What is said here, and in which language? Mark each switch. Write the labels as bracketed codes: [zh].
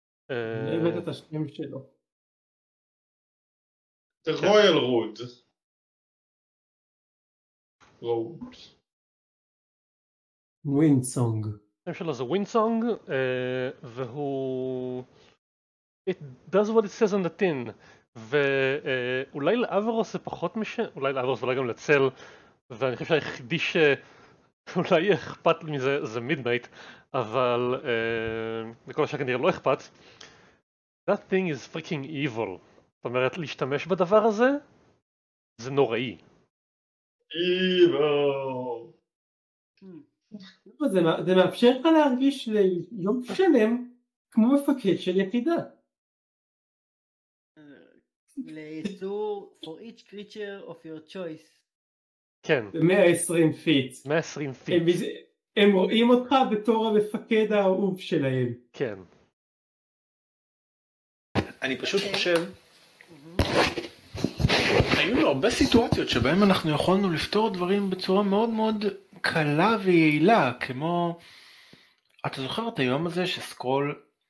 [he] לא הבאת את השם שלו. זה רויאל רוד. רוד. ווינסונג. השם שלו זה ווינסונג, והוא... [en] It does what it says on the tin. [he] ואולי לאברוס זה פחות משנה, אולי לאברוס ואולי גם לצל, ואני חושב שהיחידי שאולי אכפת מזה זה מידנייט, אבל לכל השאר כנראה לא אכפת. [en] That thing is freaking evil. [he] זאת אומרת, להשתמש בדבר הזה זה נוראי. [en] Evil. [he] זה מאפשר לך להרגיש ליום שלם כמו מפקד של יחידה. ליצור [en] for each creature of your choice. [he] כן. [en] 120 feet. 120 feet. [he] הם רואים אותך בתור המפקד האהוב שלהם. כן. אני פשוט חושב, היו לו הרבה סיטואציות שבהם אנחנו יכולנו לפתור דברים בצורה מאוד מאוד קלה ויעילה, כמו, אתה זוכר את היום הזה שסקרול...